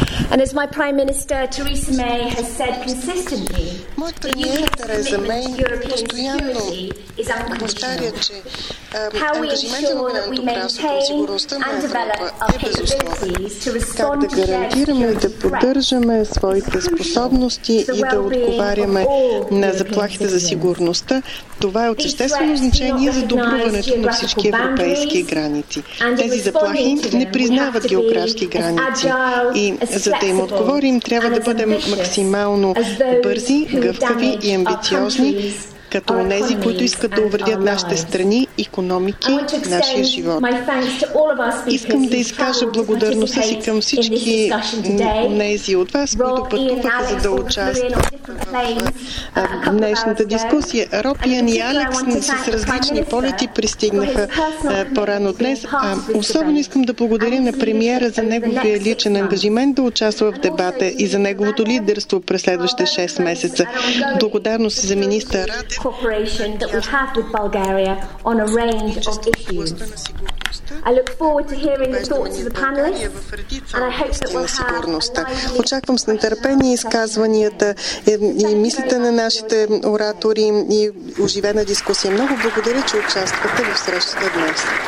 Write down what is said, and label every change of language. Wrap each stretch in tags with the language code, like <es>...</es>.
<en>And as my Prime Minister Theresa May has said consistently, the UK's commitment to European security is unconditional. How we ensure that we maintain and develop our capabilities to respond to shared security threats is crucial to the well-being of all</en> <bg>заплахите за сигурността. Това е от съществено значение за добруването на всички европейски граници. Тези заплахи не признават географски граници. И за да им отговорим, трябва да бъдем максимално бързи, гъвкави и амбициозни, като онези, които искат да увредят нашите страни, икономики, нашия живот. Искам да изкажа благодарността си към всички онези от вас, които пътуваха, за да участват в днешната дискусия. Роб, Иан и Алекс с различни полети пристигнаха по-рано днес. Особено искам да благодаря на премиера за неговия личен ангажимент да участва в дебата и за неговото лидерство през следващите 6 месеца. Благодарност за министър Радев.</bg> <en>Cooperation that we have with Bulgaria on a range of issues. I look forward to hearing the thoughts of the panelists, and I hope that we'll have.</en> <bg>Очаквам с нетърпение изказванията и мислите на нашите оратори и оживена дискусия. Много благодаря, че участвате в срещата днес.</bg>